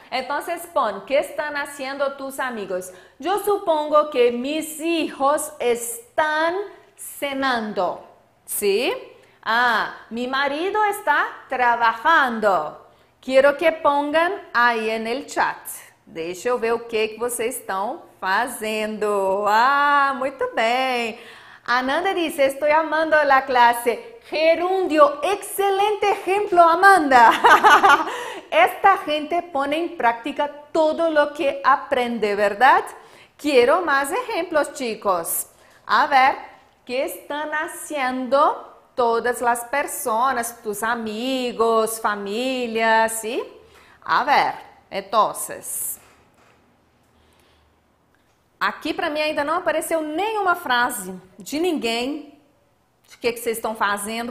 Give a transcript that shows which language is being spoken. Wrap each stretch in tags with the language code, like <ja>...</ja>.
<es>Então, pon, ¿qué están haciendo tus amigos? Yo supongo que mis hijos están cenando. Sí? Ah, mi marido está trabajando. Quiero que pongan ahí en el chat.</es> <pt>Deixa eu ver o que, que vocês estão fazendo. Ah, muito bem.</pt> <es>Ananda dice, estoy amando la clase. Gerundio, excelente ejemplo, Amanda. Esta gente pone en práctica todo lo que aprende, ¿verdad? Quiero más ejemplos, chicos. A ver, ¿qué están haciendo todas las personas, tus amigos, familias, sí? A ver, entonces.</es> <pt>Aqui para mim ainda não apareceu nenhuma frase de ninguém. O que vocês estão fazendo?</pt>